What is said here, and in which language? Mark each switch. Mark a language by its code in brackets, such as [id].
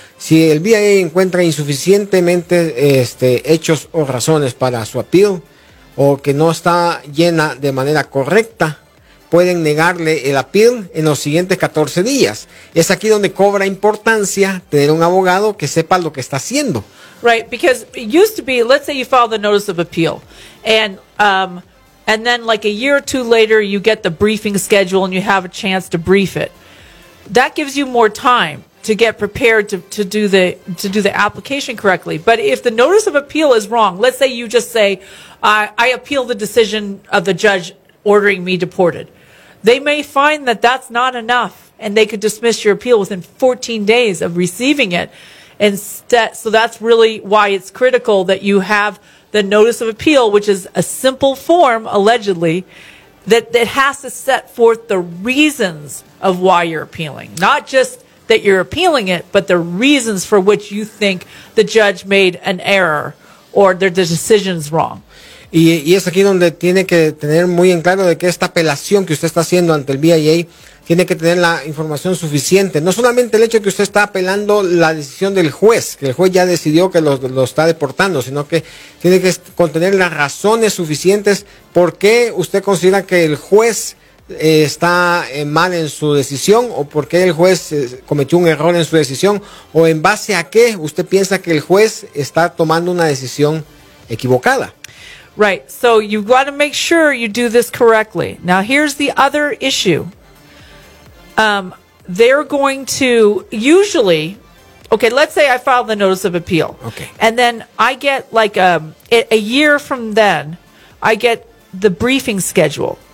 [es] Si el BIA encuentra insuficientemente hechos o razones para su appeal, o que no está llena de manera correcta, pueden negarle el appeal en los siguientes 14 días. Es aquí donde cobra importancia tener un abogado que sepa lo que está haciendo. [en] Right, because it used to be, let's say you filed the notice of appeal, and then like a year or two later, you get the briefing schedule and you have a chance to brief it. That gives you more time to get prepared to do the application correctly. But if the notice of appeal is wrong, let's say you just say, I appeal the decision of the judge ordering me deported. They may find that that's not enough, and they could dismiss your appeal within 14 days of receiving it. Instead, so that's really why it's critical that you have the notice of appeal, which is a simple form, allegedly, that has to set forth the reasons of why you're appealing. Not just that you're appealing it, but the reasons for which you think the judge made an error or the decision's wrong. [es] Y es aquí donde tiene que tener muy en claro de que esta apelación que usted está haciendo ante el BIA tiene que tener la información suficiente. No solamente el hecho que usted está apelando la decisión del juez, que el juez ya decidió que lo está deportando, sino que tiene que contener las razones suficientes por qué usted considera que el juez está mal en su decisión, o por qué el juez cometió un error en su decisión, o en base a qué usted piensa que el juez está tomando una decisión equivocada. [en] Right, so you've got to make sure you do this correctly. Now, here's the other issue. They're going to usually, okay, let's say I file the notice of appeal. Okay. And then I get like a year from then, I get the briefing schedule.